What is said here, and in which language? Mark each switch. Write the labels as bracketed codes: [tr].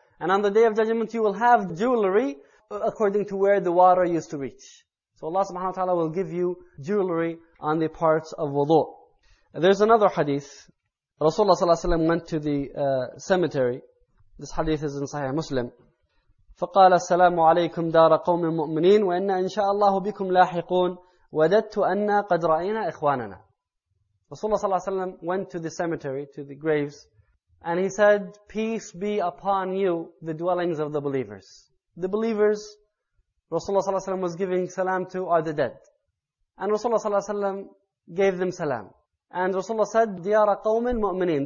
[en] And on the day of judgment, you will have jewelry according to where the water used to reach. So Allah subhanahu wa ta'ala will give you jewelry on the parts of wudu. There's another hadith. Rasulullah sallallahu alayhi wa sallam went to the cemetery. This hadith is in Sahih Muslim. [ar] فقال السلام عليكم دار قوم المؤمنين وإن إن شاء الله بكم لاحقون وددت أن قد رأينا إخواننا. [en] Rasulullah صلى الله عليه وسلم went to the cemetery, to the graves, and he said, peace be upon you, the dwellings of the believers. The believers Rasulullah صلى الله عليه وسلم was giving salam to are the dead. And Rasulullah صلى الله عليه وسلم gave them salam. And Rasulullah said, [ar] ديار قوم المؤمنين.